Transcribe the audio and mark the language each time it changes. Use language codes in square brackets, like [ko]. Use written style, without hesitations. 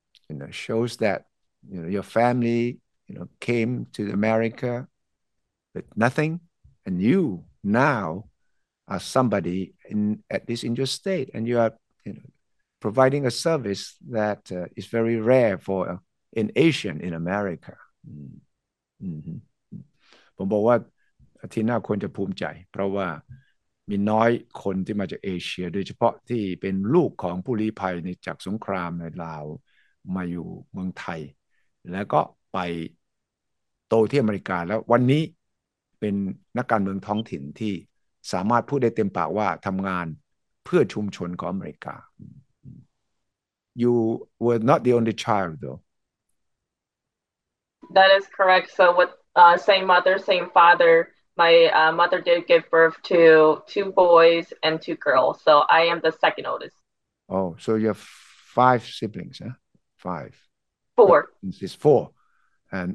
[en] you know, shows that, you know, your family, you know, came to America with nothing, and you now are somebody in, at least in your state, and you are, you know, providing a service that is very rare for an Asian in America. Mm-hmm. [th] ผมบอกว่าที่น่าควรจะภูมิใจเพราะว่ามีน้อยคนที่มาจากเอเชียโดยเฉพาะที่เป็นลูกของผู้ลี้ภัยในจากสงครามในลาวมาอยู่เมืองไทยแล้วก็ไปโตที่อเมริกาแล้ววันนี้เป็นนักการเมืองท้องถิ่นที่สามารถพูดได้เต็มปากว่าทำงานเพื่อชุมชนของอเมริกา [en] You were not the only child though. That is correct. So with same mother, same father, my mother did give birth to two boys and two girls. So I am the second oldest. Oh, so you have five siblings, huh? Five. Four. This is four. And